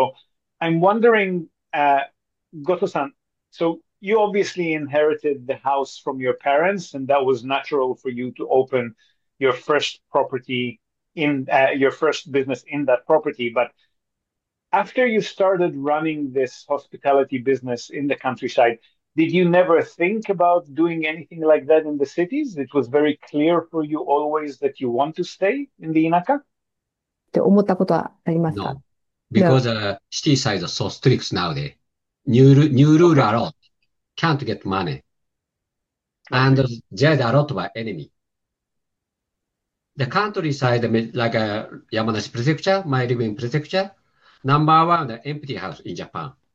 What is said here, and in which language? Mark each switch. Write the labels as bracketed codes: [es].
[en] So I'm wondering, Goto-san, so you obviously inherited the house from your parents, and that was natural for you to open your first property in your first business in that property. But after you started running this hospitality business in the countryside, did you never think about doing anything like that in the cities? It was very clear for you always that you want to stay in the Inaka? [ja] って思ったことはありますか？ [en] No, because city size is so strict nowadays. New rule alone. Can't get money. And Okay. there's a lot of enemy. The countryside, like Yamanashi Prefecture, my living prefecture, number one, the empty house in Japan.